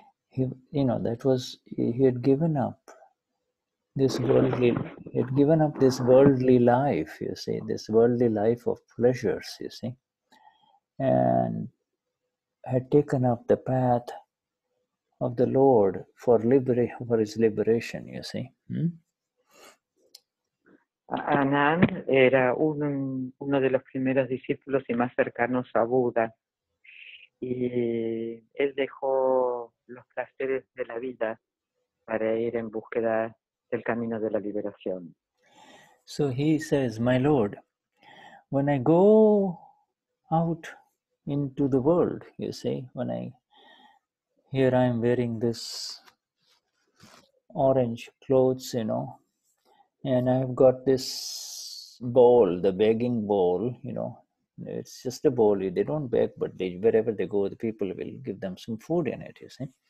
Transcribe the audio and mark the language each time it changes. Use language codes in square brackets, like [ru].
[en] He had given up this worldly, this worldly life of pleasures, you see, and had taken up the path of the Lord for his liberation, you see. [es] Anand era uno de los primeros discípulos y más cercanos a Buda, y él dejó los placeres de la vida para ir en búsqueda del camino de la liberación. [en] So he says, my Lord, when I go out into the world, you see, here I am wearing this orange clothes, you know, and I've got this bowl, the begging bowl, you know, it's just a bowl, they don't beg, but they, wherever they go, the people will give them some food in it, you see.